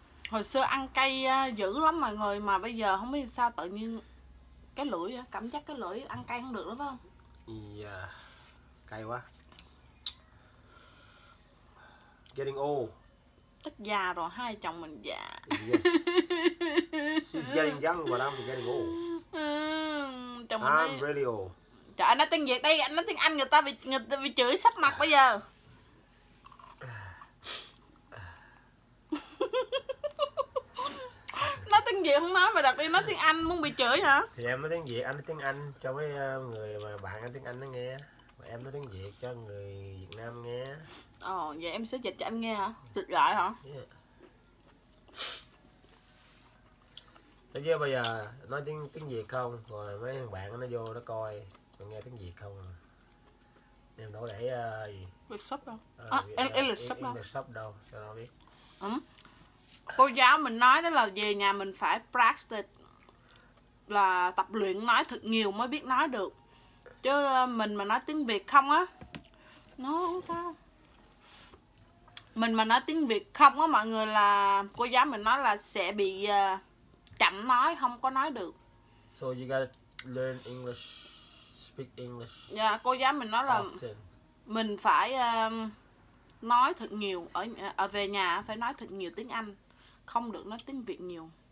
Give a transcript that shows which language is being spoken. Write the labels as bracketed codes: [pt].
[vi] Hồi xưa ăn cay dữ lắm mọi người, mà bây giờ không biết sao tự nhiên cái lưỡi, cảm giác cái lưỡi ăn cay không được đó, phải không? Yeah. Cay quá. [en] Getting old. [vi] Tức già rồi, hai chồng mình già. [en] Yes. She's getting young, but I'm getting old. [vi] Chồng [en] I'm [vi] mình [en] really old. [vi] Trời ơi, nói tiếng Việt đây, anh nói tiếng Anh, người ta bị chửi sắp mặt bây giờ. Nói tiếng Việt không nói, mà đặt đi nói tiếng Anh muốn bị chửi hả? Thì em nói tiếng Việt, anh nói tiếng Anh cho mấy người mà bạn nói tiếng Anh nó nghe. Em nói tiếng Việt cho người Việt Nam nghe. Ồ, vậy em sẽ dịch cho anh nghe hả? Dịch lại hả? Yeah. Tại vì bây giờ nói tiếng tiếng Việt không, rồi mấy thằng bạn nó vô nó coi, nó nghe tiếng Việt không. Em đâu để [en] English shop đâu. [vi] English shop đâu, sao nó biết. Cô giáo mình nói đó là về nhà mình phải practice, là tập luyện nói thật nhiều mới biết nói được. Chứ mình mà nói tiếng Việt không á, nó sao? Mình mà nói tiếng Việt không á mọi người, là cô giáo mình nói là sẽ bị chậm nói, không có nói được. [en] So you gotta learn English, speak English. [vi] Dạ, yeah, cô giáo mình nói là often. Mình phải nói thật nhiều ở về nhà, phải nói thật nhiều tiếng Anh, không được nói tiếng Việt nhiều.